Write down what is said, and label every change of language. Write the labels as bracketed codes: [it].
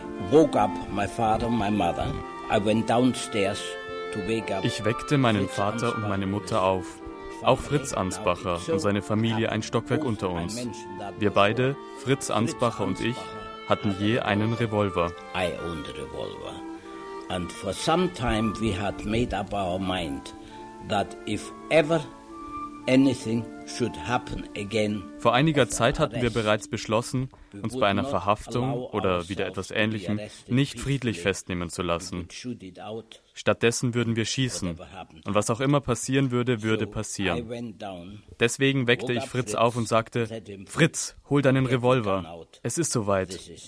[en] woke up my father, my mother. I went downstairs to wake up. [de] Ich weckte meinen Vater und meine Mutter auf. Auch Fritz Ansbacher und seine Familie ein Stockwerk unter uns. Wir beide, Fritz Ansbacher und ich, hatten je einen Revolver. [en] I owned a revolver. And for some time we had made up our mind that if ever anything should happen again. [de] Vor einiger Zeit hatten wir bereits beschlossen, uns bei einer Verhaftung oder wieder etwas Ähnlichem nicht friedlich festnehmen zu lassen. Stattdessen würden wir schießen. Und was auch immer passieren würde, würde passieren. Deswegen weckte ich Fritz auf und sagte: Fritz, hol deinen Revolver. Es ist soweit.